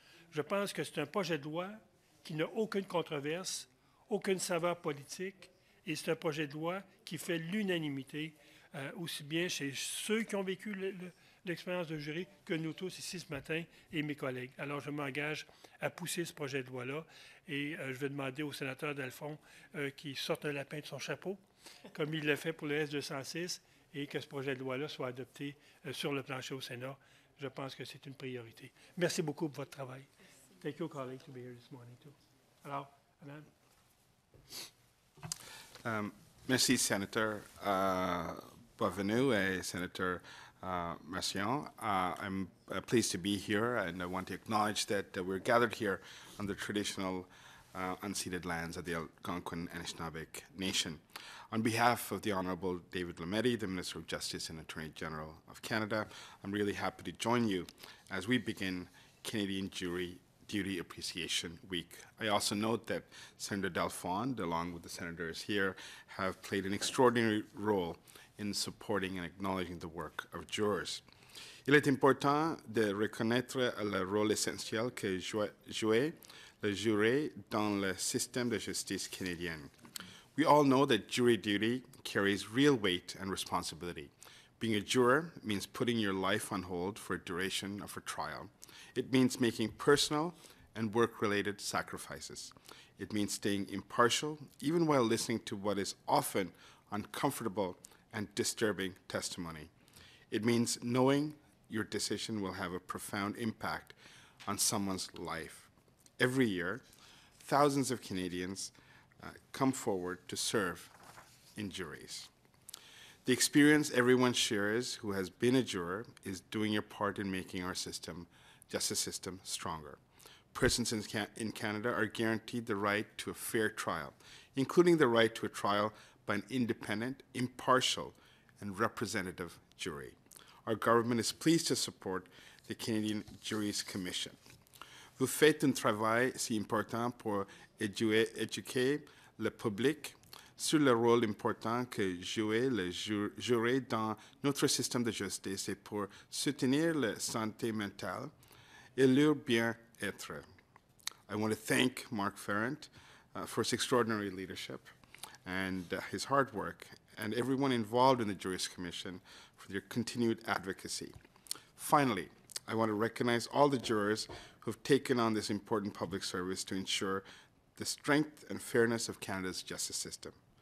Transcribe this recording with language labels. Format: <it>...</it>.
<fr>Je pense que c'est un projet de loi qui n'a aucune controverse, aucune saveur politique, et c'est un projet de loi qui fait l'unanimité, aussi bien chez ceux qui ont vécu l'expérience de jury que nous tous ici ce matin et mes collègues. Alors, je m'engage à pousser ce projet de loi-là et je vais demander au sénateur Dalphon qu'il sorte un lapin de son chapeau, comme il l'a fait pour le S-206, et que ce projet de loi-là soit adopté sur le plancher au Sénat. Je pense que c'est une priorité. Merci beaucoup pour votre travail. Merci.</fr> <en>Thank you, colleague, to be here this morning, too.</en> <fr>Alors, Alan. Merci, sénateur Boisvenu et sénateur Moncion.</fr> <en>I'm pleased to be here, and I want to acknowledge that we're gathered here on the traditional unceded lands of the Algonquin Anishinaabeg Nation. On behalf of the Honorable David Lametti, the Minister of Justice and Attorney General of Canada, I'm really happy to join you as we begin Canadian Jury Duty Appreciation Week. I also note that Senator Dalphond, along with the senators here, have played an extraordinary role in supporting and acknowledging the work of jurors.</en> <fr>Il est important de reconnaître le rôle essentiel que joue le jury dans le système de justice canadien.</fr> <en>We all know that jury duty carries real weight and responsibility. Being a juror means putting your life on hold for a duration of a trial. It means making personal and work-related sacrifices. It means staying impartial, even while listening to what is often uncomfortable and disturbing testimony. It means knowing your decision will have a profound impact on someone's life. Every year, thousands of Canadians come forward to serve in juries. The experience everyone shares who has been a juror is doing your part in making our system, justice system, stronger. Persons in Canada are guaranteed the right to a fair trial, including the right to a trial by an independent, impartial, and representative jury. Our government is pleased to support the Canadian Juries Commission.</en> <fr>Vous faites un travail si important pour éduquer le public sur le rôle important que joue le jury dans notre système de justice et pour soutenir la santé mentale et leur bien-être.</fr> <en>I want to thank Mark Farrant for his extraordinary leadership and his hard work, and everyone involved in the Juries Commission for their continued advocacy. Finally, I want to recognize all the jurors who've taken on this important public service to ensure the strength and fairness of Canada's justice system.</en>